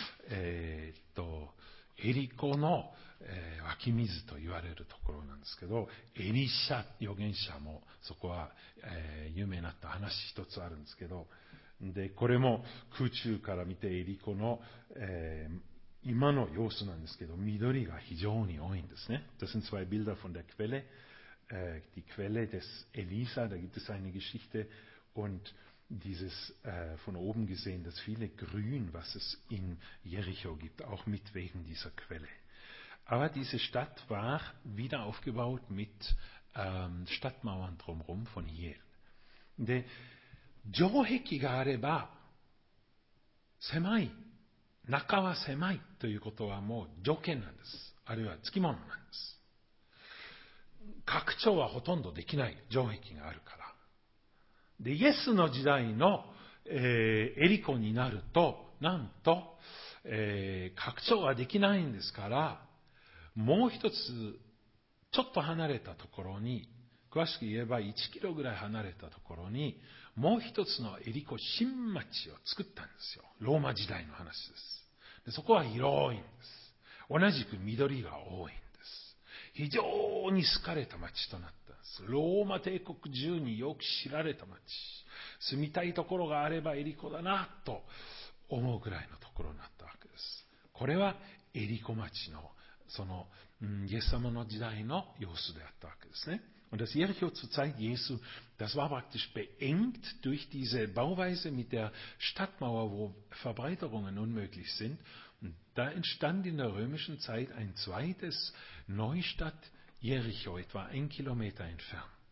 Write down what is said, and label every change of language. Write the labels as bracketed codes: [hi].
[ja] エリコの、湧き水と言われるところなんですけど、エリシャ預言者もそこは、有名になった話一つあるんですけど、で、これも空中から見てエリコの、今の様子なんですけど、緑が非常に多いんですね。 [de] Das sind zwei Bilder von der Quelle, die Quelle des Elisa, da gibt es eine Geschichte und dieses von oben gesehen, das viele Grün, was es in Jericho gibt, auch mit wegen dieser Quelle. Aber diese Stadt war wieder aufgebaut mit Stadtmauern drumherum von Hiel. [ja] で、城壁があれば、狭い、中は狭いということはもう条件なんです。あるいは付き物なんです。拡張はほとんどできない城壁があるから。で、イエスの時代の、エリコになると、なんと、拡張はできないんですから、もう一つ、ちょっと離れたところに、詳しく言えば1キロぐらい離れたところに、もう一つのエリコ新町を作ったんですよ。ローマ時代の話です。で、そこは広いんです。同じく緑が多いんです。非常に好かれた町となった。ローマ帝国中によく知られた町、住みたいところがあればエリコだなと思うくらいのところになったわけです。これはエリコ町のその、イエス様の時代の様子であったわけですね。 [de] Und das Jericho zur Zeit Jesu, das war praktisch beengt durch diese Bauweise mit der Stadtmauer, wo Verbreiterungen unmöglich sind. Und da entstand in der römischen Zeit ein zweites Neustadt,Jericho, etwa ein Kilometer entfernt.